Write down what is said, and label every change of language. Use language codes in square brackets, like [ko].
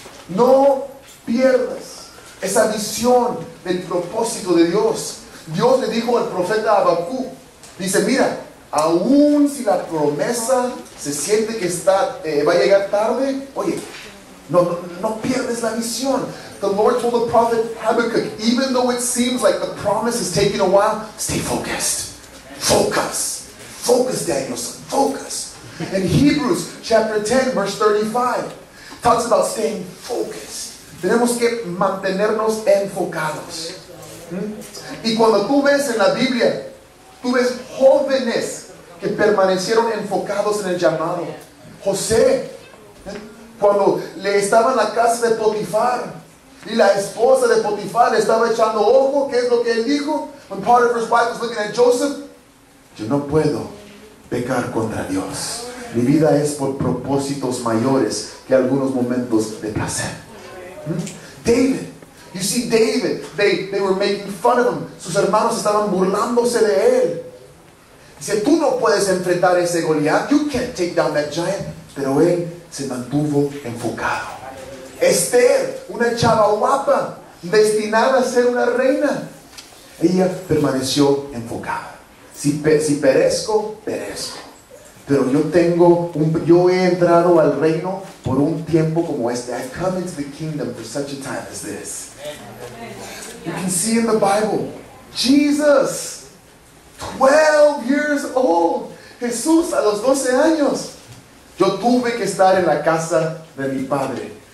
[es] No pierdas esa visión del propósito de Dios. Dios le dijo al profeta Habacú, dice, mira, aún si la promesa se siente que está, va a llegar tarde, oye, no pierdes la visión. [en] The Lord told the prophet Habakkuk, even though it seems like the promise is taking a while, stay focused. Focus. Focus, Danielson. Focus. In Hebrews chapter 10, verse 35, talks about staying focused. [es] Tenemos que mantenernos enfocados. Y cuando tú ves en la Biblia, tú ves jóvenes que permanecieron enfocados en el llamado. José, cuando le estaba en la casa de Potifar, y la esposa de Potifar le estaba echando ojo, ¿qué es lo que él dijo? [en] When Potiphar's wife was looking at Joseph, [es] yo no puedo pecar contra Dios. Mi vida es por propósitos mayores que algunos momentos de placer. [en] David. You see David. They were making fun of him. [es] Sus hermanos estaban burlándose de él. Dice, tú no puedes enfrentar ese Goliat. [en] You can't take down that giant. [es] Pero él se mantuvo enfocado. Esther, una chava guapa, destinada a ser una reina. Ella permaneció enfocada. Si perezco, perezco. Pero yo he entrado al reino por un tiempo como este. [en] I've come into the kingdom for such a time as this. You can see in the Bible, Jesus, 12 years old. [es] Jesús a los 12 años. Yo tuve que estar en la casa de mi padre.